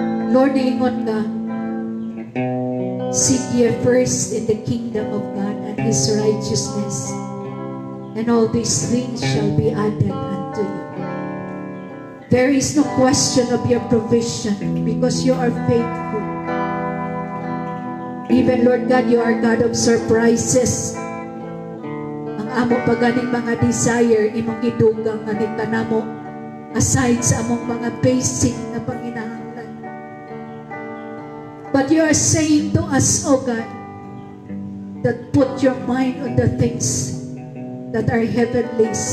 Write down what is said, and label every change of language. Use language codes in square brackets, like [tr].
[en] Lord, [ceb] ingon nga, [en] seek ye first in the kingdom of God and His righteousness, and all these things shall be added unto you. There is no question of your provision, because you are faithful. Even Lord God, you are God of surprises. [ceb] Ang among pagganing mga desire, imong idugang nga nitanamo, aside sa among mga basic na panginahanglan. [en] But you are saying to us, O God, that put your mind on the things that are heavenly.